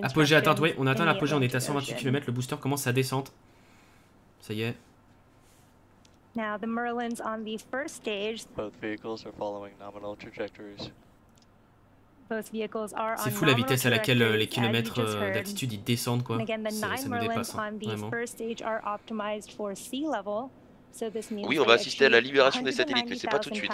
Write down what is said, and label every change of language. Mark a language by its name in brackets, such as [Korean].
[French] Apogée atteinte, oui, on atteint l'apogée, on est à 128 km, le booster commence sa descente. Ça y est. [English] Now the Merlin's on the first stage. Both vehicles are following nominal trajectories. Both vehicles are on. [French] C'est fou la vitesse à laquelle les kilomètres d'altitude ils descendent, quoi. [English] Again, the nine Merlins on the first stage are optimized for sea level. So this means. [French] Oui, on va assister à la libération des satellites, mais c'est pas tout de suite.